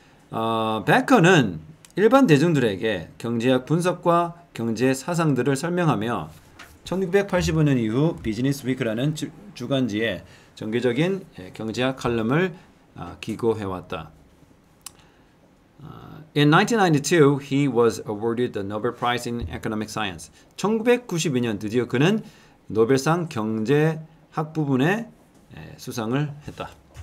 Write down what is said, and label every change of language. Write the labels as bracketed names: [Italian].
[Korean] Baker는 일반 대중들에게 경제학 분석과 경제 사상들을 설명하며 1985년 이후 비즈니스 위크라는 주간지에 정기적인 경제학 칼럼을 기고해왔다. [English] In 1992, he was awarded the Nobel Prize in Economic Science. [Korean] 1992년 드디어 그는 노벨상 경제학 부분에 수상을 했다.